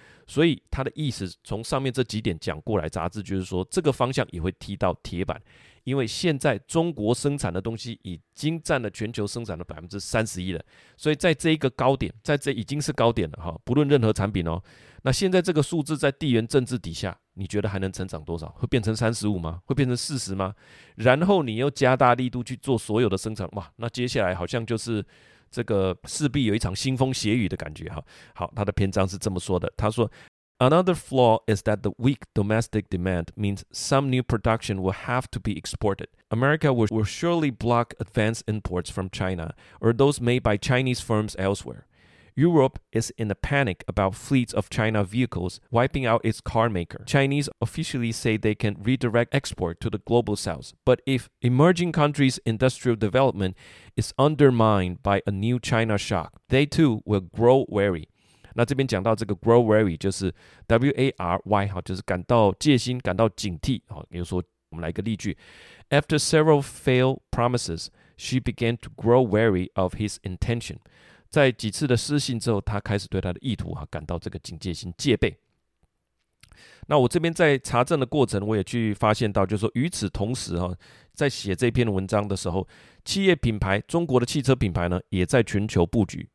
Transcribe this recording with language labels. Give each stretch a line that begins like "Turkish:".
Chinese: 所以他的意思从上面这几点讲过来，杂志就是说这个方向也会踢到铁板，因为现在中国生产的东西已经占了全球生产的 31% 了，所以在这一个高点，在这已经是高点了，不论任何产品哦，那现在这个数字在地缘政治底下，你觉得还能成长多少？会变成35吗？会变成40吗？然后你又加大力度去做所有的生产，哇，那接下来好像就是这个势必有一场腥风血雨的感觉。好，他的篇章是这么说的，他说
English: Another flaw is that the weak domestic demand means some new production will have to be exported. America will surely block advanced imports from China or those made by Chinese firms elsewhere. Europe is in a panic about fleets of China vehicles wiping out its car maker. Chinese officially say they can redirect export to the global south. But if emerging countries' industrial development is undermined by a new China shock, they too will grow wary.
Chinese: 那这边讲到这个
English: grow wary，
Chinese: 就是 W-A-R-Y， 就是感到戒心，感到警惕。比如说我们来一个例句，
English: After several failed promises, she began to grow wary of his intention.
Chinese: 在几次的失信之后，她开始对她的意图感到这个警戒心，戒备。那我这边在查证的过程，我也去发现到，就是说与此同时，在写这篇文章的时候，企业品牌，中国的汽车品牌呢，也在全球布局。